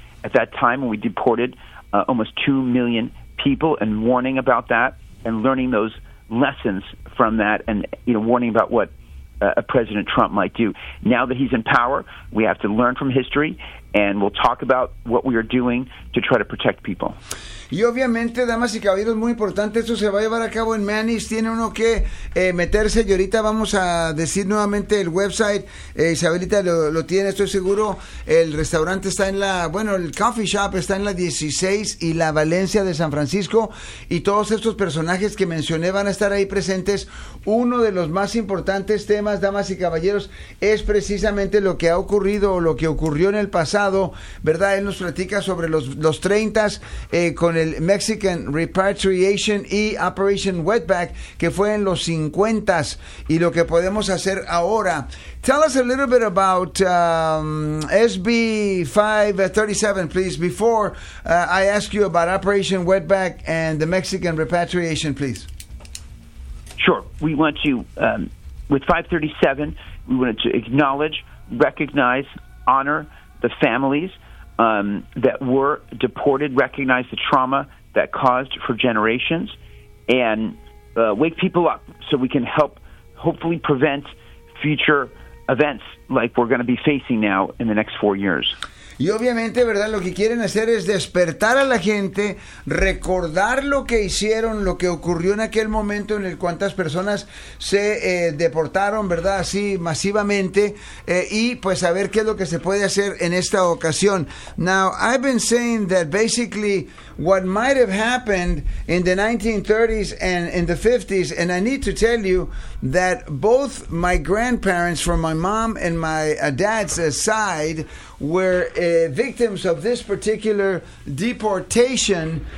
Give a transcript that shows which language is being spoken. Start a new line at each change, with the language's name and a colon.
English: At that time, we deported almost 2 million people, and warning about that and learning those lessons from that, and, you know, warning about what President Trump might do. Now that he's in power, we have to learn from history, and we'll talk about what we are doing to try to protect people.
Spanish: Y obviamente, damas y caballeros, muy importante, eso se va a llevar a cabo en Manny's. Tiene uno que meterse, y ahorita vamos a decir nuevamente el website. Isabelita lo tiene, estoy seguro. El restaurante está en el coffee shop está en la 16 y la Valencia de San Francisco. Y todos estos personajes que mencioné van a estar ahí presentes. Uno de los más importantes temas, damas y caballeros, es precisamente lo que ha ocurrido o lo que ocurrió en el pasado, ¿verdad? Él nos platica sobre los 30s con el Mexican Repatriation y Operation Wetback, que fue en los 50s, y lo que podemos hacer ahora.
English: Tell us a little bit about SB 537, please, before I ask you about Operation Wetback and the Mexican Repatriation, please. Sure. We want to, with 537, we wanted to acknowledge, recognize, honor the families that were deported, recognize the trauma that caused for generations, and wake people up so we can help hopefully prevent future events like we're going to be facing now in the next 4 years.
Spanish: Y obviamente, ¿verdad?, lo que quieren hacer es despertar a la gente, recordar lo que hicieron, lo que ocurrió en aquel momento en el cuántas personas se deportaron, ¿verdad?, así masivamente, y pues saber qué es lo que se puede hacer en esta ocasión.
English: Now, I've been saying that basically what might have happened in the 1930s and in the 50s, and I need to tell you that both my grandparents, from my mom and my dad's side, were victims of this particular deportation.